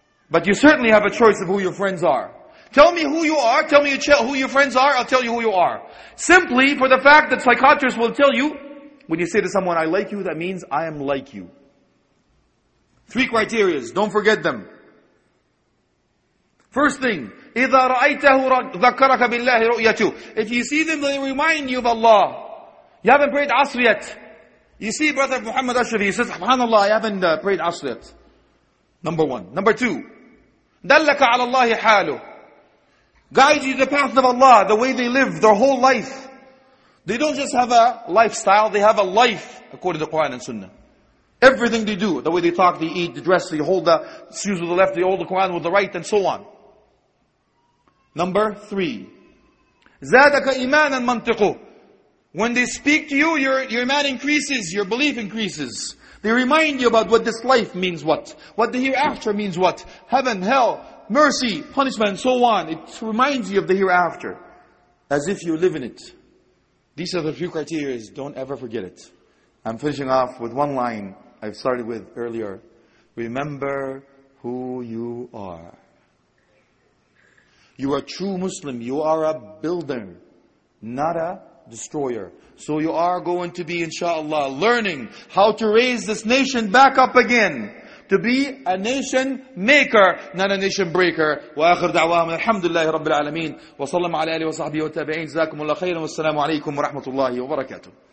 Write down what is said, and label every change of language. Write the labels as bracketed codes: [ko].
[en] But you certainly have a choice of who your friends are. Tell me who you are, tell me who your friends are, I'll tell you who you are. Simply for the fact that psychiatrists will tell you, when you say to someone, I like you, that means I am like you. Three criterias, don't forget them. First thing, [ar] إِذَا رَأَيْتَهُ ذَكَّرَكَ بِاللَّهِ رُؤْيَتُهُ. [en] If you see them, they remind you of Allah. You haven't prayed Asr yet. You see Brother Muhammad Ashrafi, he says, Subhanallah, I haven't prayed Asr yet. Number one. Number two, [ar] دَلَّكَ عَلَى اللَّهِ حَالُهُ. [en] Guides you the path of Allah, the way they live, their whole life. They don't just have a lifestyle, they have a life, according to Quran and Sunnah. Everything they do, the way they talk, they eat, they dress, they hold the shoes with the left, they hold the Quran with the right, and so on. Number three, [ar] زادك إيمانا منطقه. [en] When they speak to you, your iman increases, your belief increases. They remind you about what this life means, what the hereafter means, what heaven, hell, mercy, punishment, and so on. It reminds you of the hereafter, as if you live in it. These are the few criteria. Don't ever forget it. I'm finishing off with one line I've started with earlier. Remember who you are. You are a true Muslim. You are a builder, not a destroyer. So you are going to be, inshallah, learning how to raise this nation back up again. To be a nation maker, not a nation breaker. [ar] وآخر دعوانا الحمد لله رب العالمين وصلى الله عليه وسلم وتابعين. جزاكم الله خيرا والسلام عليكم ورحمة الله وبركاته.